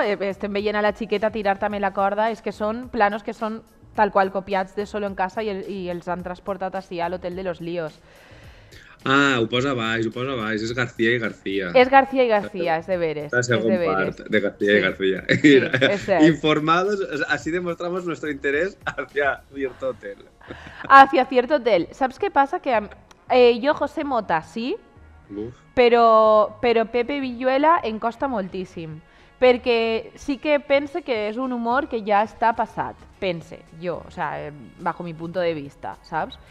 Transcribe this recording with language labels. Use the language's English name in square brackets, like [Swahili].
[Catalan] Estem veient a la xiqueta tirar també la corda, és que són planos que són tal qual copiats de Solo en casa i els han transportat així a l'Hotel de los Líos. Ah, ho posa baix, és García i García. És García i García, és de veres. La segona part de García sí. i García. Sí, [Spanish] informados, así demostramos nuestro interés hacia cierto hotel. Hacia cierto hotel. [Catalan] Saps què passa? Que jo, José Mota, sí, però Pepe Villuela em costa moltíssim. Perquè sí que pense que és un humor que ja està passat. Pense, jo, [Spanish] o sea, bajo mi punto de vista, [Catalan] saps?